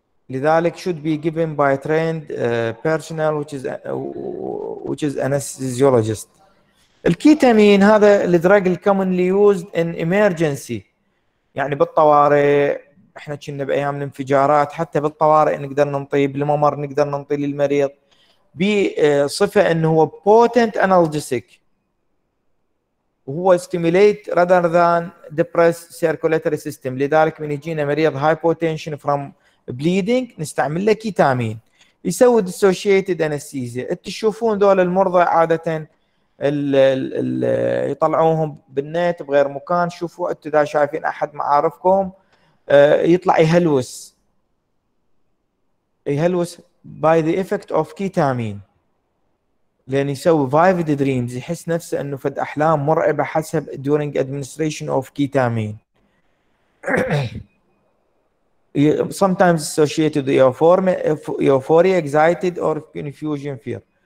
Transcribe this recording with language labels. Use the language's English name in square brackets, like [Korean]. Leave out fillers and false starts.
[English] لذلك should be given by trained personnel which is anesthesiologist. [Arabic] الكيتامين هذا الدراج [English] commonly used in emergency. [Arabic] يعني بالطوارئ احنا كنا بايام الانفجارات حتى بالطوارئ نقدر ننطي بالممر نقدر ننطي للمريض بصفه انه هو [English] potent analgesic [Arabic] وهو [English] stimulate rather than depress circulatory system. [Arabic] لذلك من يجينا مريض [English] hypotension from bleeding [Arabic] نستعمل له كيتامين يسوي [English] dissociated anesthesia. [Arabic] تشوفون دول المرضى عاده الـ يطلعوهم بالنت بغير مكان شوفوا انتوا اذا شايفين احد معارفكم يطلع يهلوس [English] by the effect of ketamine [Arabic] لأن يسوي [English] vivid dreams [Arabic] يحس نفسه أنه فد أحلام مرعبة حسب [English] during administration of ketamine. Sometimes associated with euphoria, excited or confusion fear.